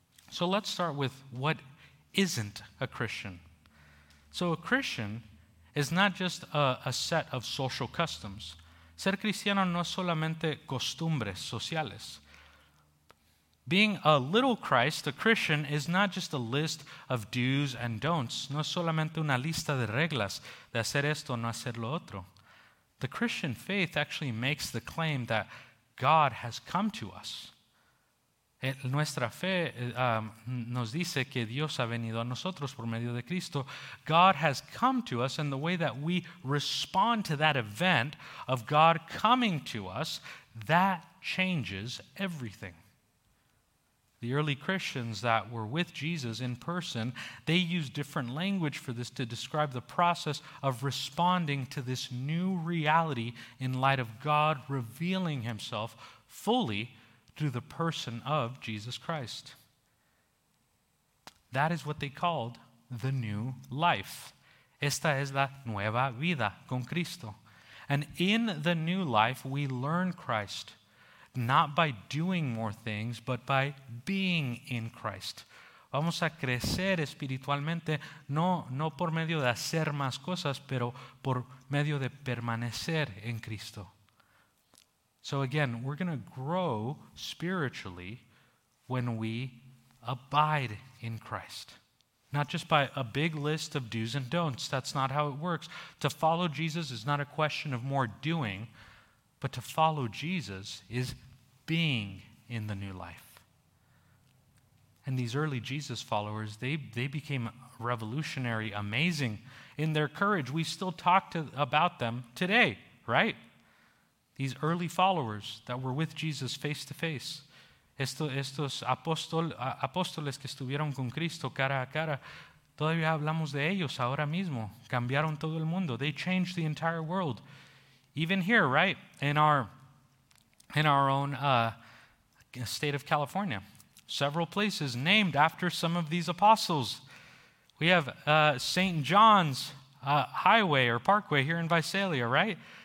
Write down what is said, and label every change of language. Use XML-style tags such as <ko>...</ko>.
<en>So let's start with what isn't a Christian. So a Christian is not just a set of social customs.</en> <es>Ser cristiano no es solamente costumbres sociales.</es> <en>Being a little Christ, a Christian, is not just a list of do's and don'ts.</en> <es>No es solamente una lista de reglas de hacer esto, no hacer lo otro.</es> <en>The Christian faith actually makes the claim that God has come to us.</en> <es>Nuestra fe nos dice que Dios ha venido a nosotros por medio de Cristo.</es> <en>God has come to us, and the way that we respond to that event of God coming to us, that changes everything. The early Christians that were with Jesus in person, they used different language for this to describe the process of responding to this new reality in light of God revealing himself fully through the person of Jesus Christ. That is what they called the new life.</en> <es>Esta es la nueva vida con Cristo.</es> <en>And in the new life, we learn Christ, not by doing more things, but by being in Christ.</en> <es>Vamos a crecer espiritualmente, no por medio de hacer más cosas, pero por medio de permanecer en Cristo.</es> <en>So again, we're going to grow spiritually when we abide in Christ. Not just by a big list of do's and don'ts. That's not how it works. To follow Jesus is not a question of more doing, but to follow Jesus is being in the new life. And these early Jesus followers, they became revolutionary, amazing in their courage. We still talk about them today, right? These early followers that were with Jesus face to face.</en> <es>Estos apóstoles que estuvieron con Cristo cara a cara, todavía hablamos de ellos ahora mismo. Cambiaron todo el mundo.</es> <en>They changed the entire world. Even here, right, in our own state of California, several places named after some of these apostles. We have St. John's Highway or Parkway here in Visalia, right?</en>